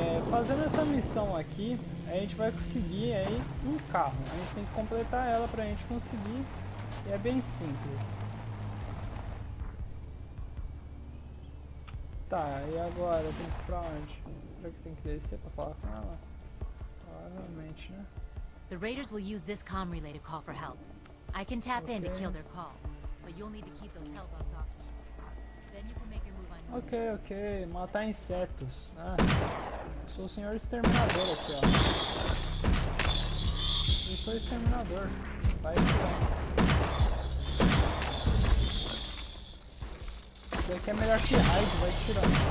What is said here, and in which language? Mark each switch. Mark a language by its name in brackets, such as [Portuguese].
[Portuguese] Fazendo essa missão aqui, a gente vai conseguir aí um carro. A gente tem que completar ela pra gente conseguir. E é bem simples. Tá, e agora eu tenho que ir pra onde? Será que tem que descer pra falar com ela? Provavelmente, né? [English] The Raiders will use this comm relay to call for help. I can tap in to kill their calls, but you'll need to keep those hellbots off. Then you can make your move on. Okay, okay. [Portuguese] Matar insetos. Ah. Sou o senhor exterminador aqui, ó. Eu sou exterminador. Vai aqui, ó. Isso aqui é melhor que raio, vai tirar.